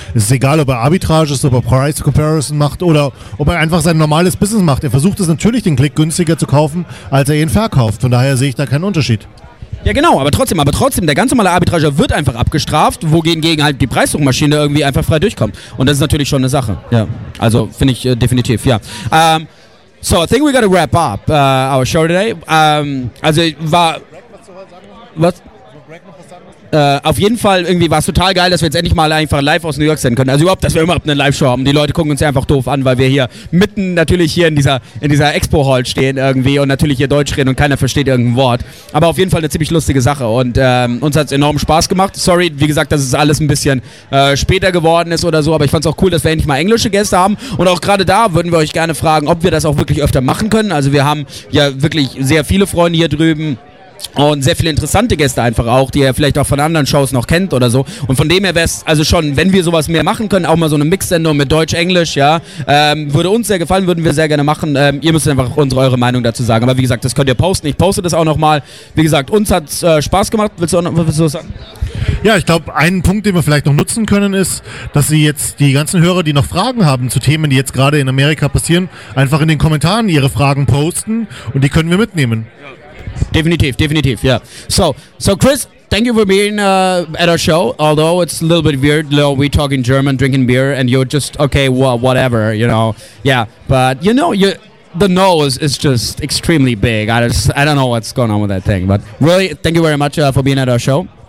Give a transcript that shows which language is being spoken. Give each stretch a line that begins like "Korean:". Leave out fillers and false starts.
German: Es ist egal, ob er Arbitrage ist, ob er Price Comparison macht oder ob er einfach sein normales Business macht. Er versucht es natürlich, den Klick günstiger zu kaufen, als er ihn verkauft. Von daher sehe ich da keinen Unterschied. Ja genau, aber trotzdem, der ganz normale Arbitrager wird einfach abgestraft, wogegen halt die Preissuchmaschine irgendwie einfach frei durchkommt. Und das ist natürlich schon eine Sache, ja. Also finde ich definitiv, ja.
English: So, I think we gotta wrap up our show today.
German: Also war... Was? Auf jeden Fall, irgendwie war es total geil, dass wir jetzt endlich mal einfach live aus New York senden können. Also überhaupt, dass wir immer eine Live-Show haben. Die Leute gucken uns ja einfach doof an, weil wir hier mitten natürlich hier in dieser Expo-Hall stehen irgendwie und natürlich hier Deutsch reden und keiner versteht irgendein Wort. Aber auf jeden Fall eine ziemlich lustige Sache und uns hat es enorm Spaß gemacht. Sorry, wie gesagt, dass es alles ein bisschen später geworden ist oder so, aber ich fand es auch cool, dass wir endlich mal englische Gäste haben. Und auch gerade da würden wir euch gerne fragen, ob wir das auch wirklich öfter machen können. Also wir haben ja wirklich sehr viele Freunde hier drüben. Und sehr viele interessante Gäste einfach auch, die ihr vielleicht auch von anderen Shows noch kennt oder so. Und von dem her wäre es also schon, wenn wir sowas mehr machen können, auch mal so eine Mix-Sendung mit Deutsch-Englisch, ja, würde uns sehr gefallen, würden wir sehr gerne machen. Ihr müsst einfach eure Meinung dazu sagen. Aber wie gesagt, das könnt ihr posten. Ich poste das auch nochmal. Wie gesagt, uns hat es Spaß gemacht. Willst du was sagen? Ja, ich glaube, einen Punkt, den wir vielleicht noch nutzen können, ist, dass Sie jetzt die ganzen Hörer, die noch Fragen haben zu Themen, die jetzt gerade in Amerika passieren, einfach in den Kommentaren Ihre Fragen posten und die können wir mitnehmen. Definitiv, definitiv, ja.
English: So Chris, thank you for being at our show, although it's a little bit weird, though we talk in German, drinking beer, and you're just, okay, well, whatever, you know. Yeah, but you know, the nose is just extremely big. I don't know what's going on with that thing, but really, thank you very much for being at our show.